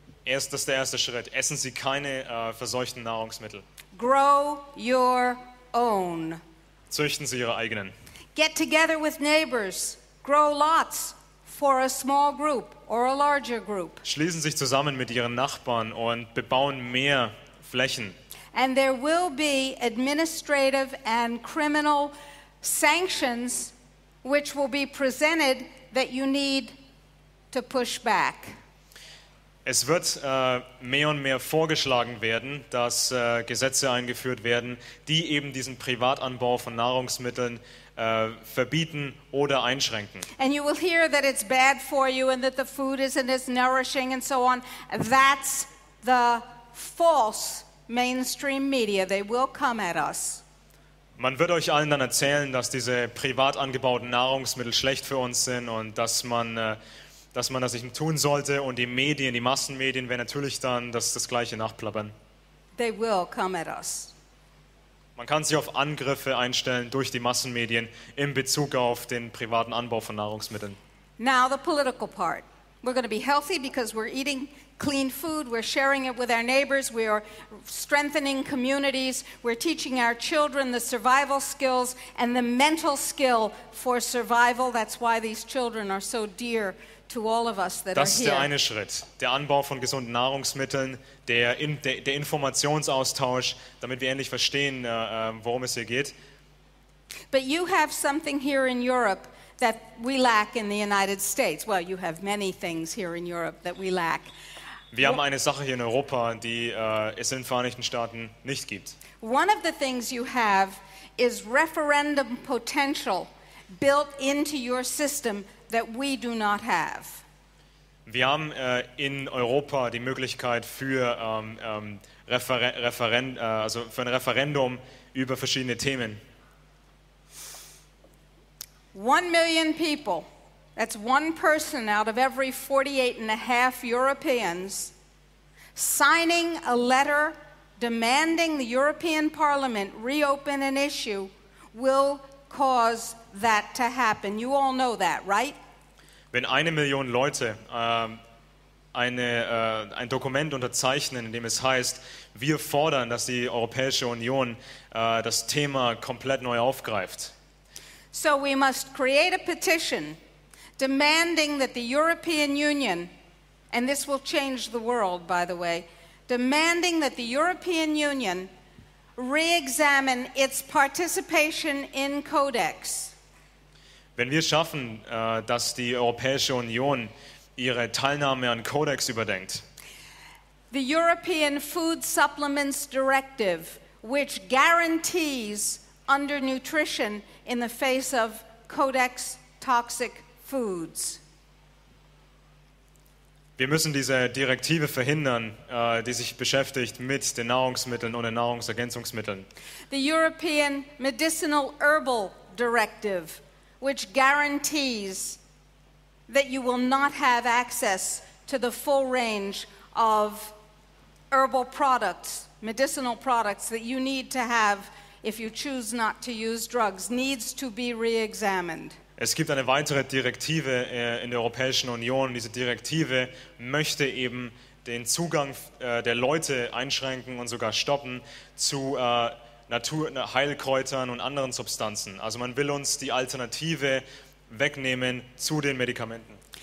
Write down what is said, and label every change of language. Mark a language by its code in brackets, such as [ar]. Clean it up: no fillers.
[de] Das ist der erste Schritt. Essen Sie keine verseuchten Nahrungsmittel. [en] Grow your own. [de] Züchten Sie Ihre eigenen. [en] Get together with neighbors. Grow lots for a small group or a larger group. [de] Schließen sich zusammen mit ihren Nachbarn und bebauen mehr Flächen. [en] And there will be administrative and criminal sanctions which will be presented that you need to push back. [de] Es wird mehr und mehr vorgeschlagen werden, dass Gesetze eingeführt werden, die eben diesen Privatanbau von Nahrungsmitteln verbieten oder einschränken. [en] And you will hear that it's bad for you and that the food isn't as nourishing and so on. That's the false mainstream media. They will come at us. [de] Man wird euch allen dann erzählen, dass diese privat angebauten Nahrungsmittel schlecht für uns sind und dass man das nicht tun sollte. Und die Medien, die Massenmedien, werden natürlich dann das Gleiche nachplappern. [en] They will come at us. [de] Man kann sich auf Angriffe einstellen durch die Massenmedien in Bezug auf den privaten Anbau von Nahrungsmitteln. [en] Now the political part. We're going to be healthy because we're eating clean food, we're sharing it with our neighbors, we are strengthening communities, we're teaching our children the survival skills and the mental skill for survival. That's why these children are so dear to all of us that [de] Das ist der eine Schritt, der Anbau von gesunden Nahrungsmitteln, der Informationsaustausch, damit wir endlich verstehen, worum es hier geht. [en] But you have something here in Europe that we lack in the United States. Well, you have many things here in Europe that we lack. [de] Wir haben eine Sache hier in Europa, die es in den Vereinigten Staaten nicht gibt. [en] One of the things you have is referendum potential built into your system that we do not have. [de] Wir haben in Europa die Möglichkeit für ein Referendum über verschiedene Themen. [en] 1 million people, that's one person out of every 48 and a half Europeans, signing a letter demanding the European Parliament reopen an issue will cause that to happen. You all know that, right? [de] Wenn 1 million Leute ein Dokument unterzeichnen, in dem es heißt, wir fordern, dass die Europäische Union das Thema komplett neu aufgreift. [en] So we must create a petition demanding that the European Union, and this will change the world, by the way, demanding that the European Union re-examine its participation in Codex. [de] Wenn wir schaffen, dass die Europäische Union ihre Teilnahme an Codex überdenkt. [en] The European Food Supplements Directive, which guarantees undernutrition in the face of Codex toxic foods. [de] Wir müssen diese Direktive verhindern, die sich beschäftigt mit den Nahrungsmitteln und den Nahrungsergänzungsmitteln. [en] The European Medicinal Herbal Directive, which guarantees that you will not have access to the full range of herbal products, medicinal products that you need to have if you choose not to use drugs, needs to be re-examined. [de] Es gibt eine weitere Direktive in der Europäischen Union. Diese Direktive möchte eben den Zugang der Leute einschränken und sogar stoppen zu Heilkräutern und anderen Substanzen. Also man will uns die Alternative wegnehmen zu den Medikamenten.